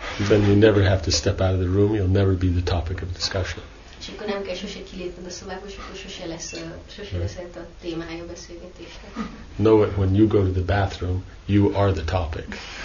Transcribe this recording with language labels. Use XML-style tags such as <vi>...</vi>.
<en>Then you never have to step out of the room, you'll never be the topic of discussion.</en> <hu>És akkor nem kell sose kilépned a szobába, és akkor sose lesz ez a témája a beszélgetésnek.</hu> <en>Know it, when you go to the bathroom, you are the topic.</en>